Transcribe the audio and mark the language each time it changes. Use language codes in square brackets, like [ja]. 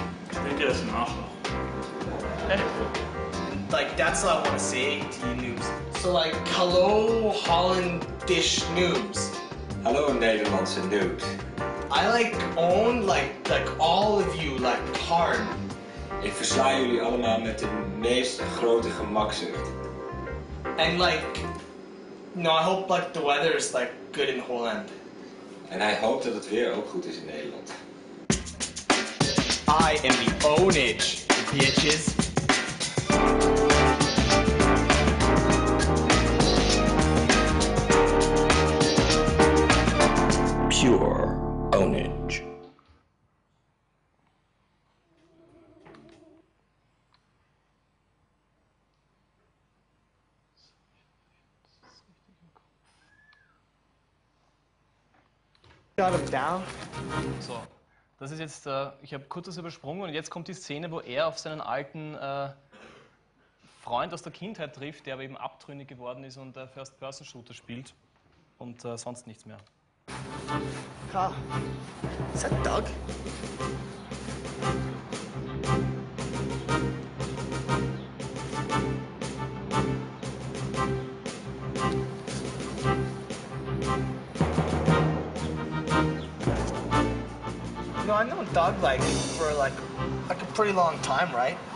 [de] Ich denke, das ist ein Arschloch. [en] Like that's all I want to say to you noobs. So like hello Hollandish noobs. Hello Netherlands and noobs. I like own like all of you like hard. [nl] Ik versla jullie allemaal met de meest grote gemakzucht. [en] And like, no, I hope like the weather is like good in Holland. And I hope that [nl] het weer ook goed is in Nederland. [en] I am the ownage, bitches. Pure ownage. Shut him down. [de] So, das ist jetzt, ich habe kurz das übersprungen und jetzt kommt die Szene, wo er auf seinen alten Freund aus der Kindheit trifft, der aber eben abtrünnig geworden ist und First-Person-Shooter spielt und sonst nichts mehr. [en] Carl. Is that Doug? You know, I've known Doug, like, for, like, a pretty long time, right?